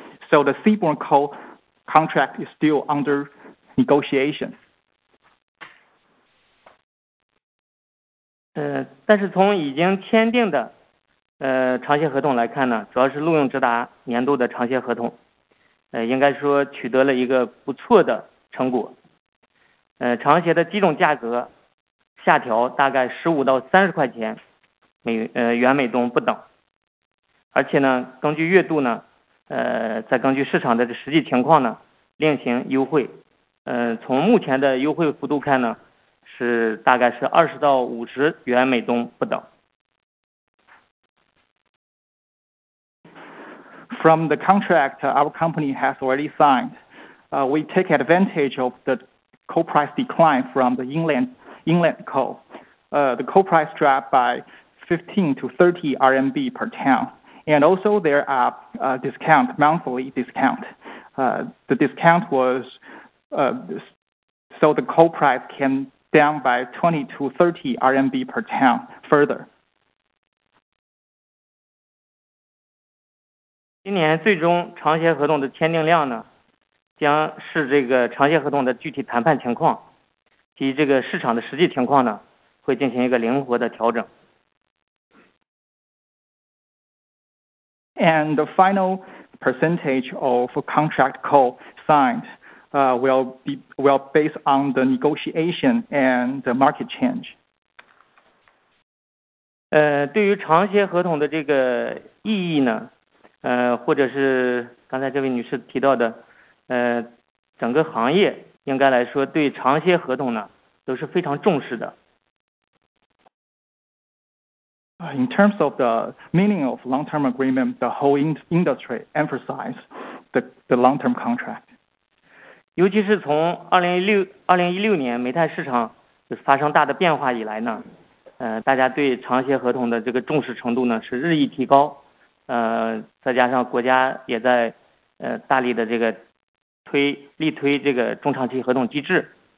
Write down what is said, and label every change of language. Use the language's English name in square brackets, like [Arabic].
[English] So the seaborne coal contract is still under negotiation. [Chinese] 但是从已经签订的长协合同来看呢，主要是录用直达年度的长协合同，应该说取得了一个不错的成果。长协的机种价格下调大概15到30块钱元每吨不等，而且呢，根据月度呢，再根据市场的实际情况呢，另行优惠。从目前的优惠幅度看呢，是大概是20到50元每吨不等。 [English] From the contract our company has already signed, we take advantage of the coal price decline from the inland coal. The coal price dropped by 15 to 30 RMB per ton, and also there are discount monthly discount. The discount was so the coal price can down by 20 to 30 RMB per ton further. [Chinese] 今年最终长协合同的签订量呢，将是这个长协合同的具体谈判情况及这个市场的实际情况呢，会进行一个灵活的调整。 [English] And the final percentage of contract coal signed will based on the negotiation and the market change. [Chinese] 对于长协合同的这个意义呢，或者是刚才这位女士提到的，整个行业应该来说对长协合同呢都是非常重视的。 [English] In terms of the meaning of long-term agreement, the whole industry emphasizes the long-term contract. [Chinese] 尤其是从2016年煤炭市场发生大的变化以来呢，大家对长协合同的这个重视程度呢是日益提高，再加上国家也在大力的这个力推这个中长期合同机制。